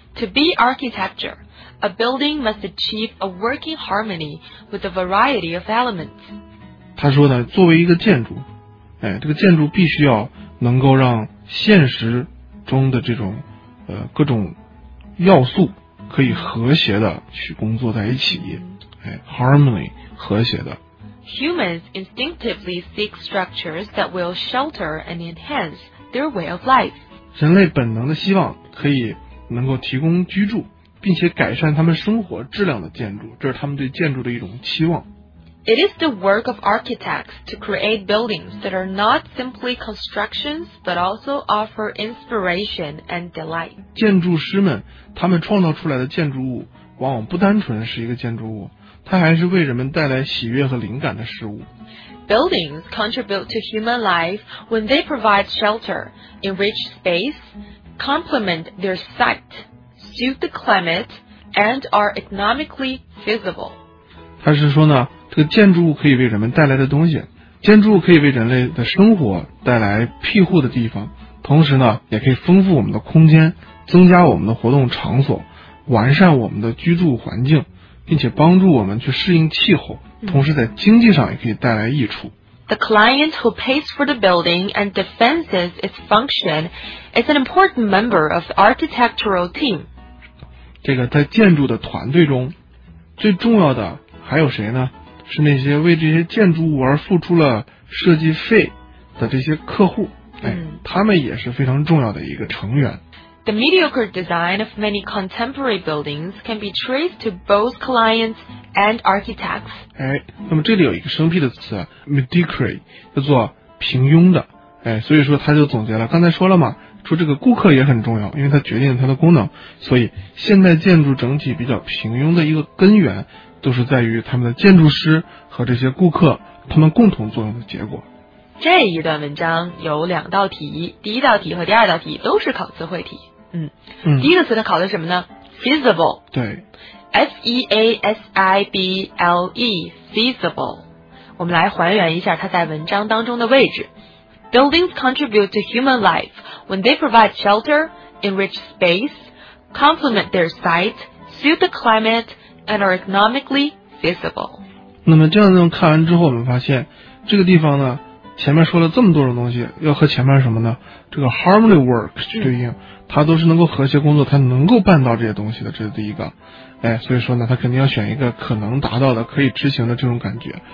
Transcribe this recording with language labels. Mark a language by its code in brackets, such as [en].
[en] To be architecture, a building must achieve a working harmony with a variety of elements. [zh] 他说呢，作为一个建筑，这个建筑必须要能够让现实中的这种各种要素可以和谐的去工作在一起。 Harmony, 和谐的。 [en] Humans instinctively seek structures that will shelter and enhance their way of life. [zh] 人类本能的希望可以能够提供居住并且改善他们生活质量的建筑，这是他们对建筑的一种期望。 [en] It is the work of architects to create buildings that are not simply constructions, but also offer inspiration and delight. [zh] 建筑师们，他们创造出来的建筑物往往不单纯是一个建筑物，它还是为人们带来喜悦和灵感的事物。 [en] Buildings contribute to human life when they provide shelter, enrich space, complement their site, suit the climate, and are economically feasible. [zh] 他是说呢，这个建筑物可以为人们带来的东西，建筑物可以为人类的生活带来庇护的地方，同时呢，也可以丰富我们的空间，增加我们的活动场所，完善我们的居住环境，并且帮助我们去适应气候，同时在经济上也可以带来益处。 [en] The client who pays for the building and defends its function is an important member of the architectural team. [zh] 这个在建筑的团队中，最重要的还有谁呢？是那些为这些建筑物而付出了设计费的这些客户，他们也是非常重要的一个成员。 The mediocre design of many contemporary buildings can be traced to both clients and architects. 那么这里有一个生僻的词 ,mediocre, 叫做平庸的。所以说他就总结了，刚才说了嘛，说这个顾客也很重要，因为他决定了他的功能。所以现代建筑整体比较平庸的一个根源都是在于他们的建筑师和这些顾客他们共同作用的结果。这一段文章有两道题，第一道题和第二道题都是考词汇题。第一个词呢考的什么呢？ [en] Feasible。 [zh] 对， [en] F-E-A-S-I-B-L-E Feasible。 [zh] 我们来还原一下它在文章当中的位置。 [en] Buildings contribute to human life when they provide shelter, enrich space, complement their site, suit the climate, and are economically feasible。 [zh] 那么这样子看完之后，我们发现这个地方呢前面说了这么多种东西，要和前面什么呢，这个 harmony work 去对应，它都是能够和谐工作，它能够办到这些东西的，这是第一个。所以说呢它肯定要选一个可能达到的可以执行的这种感觉。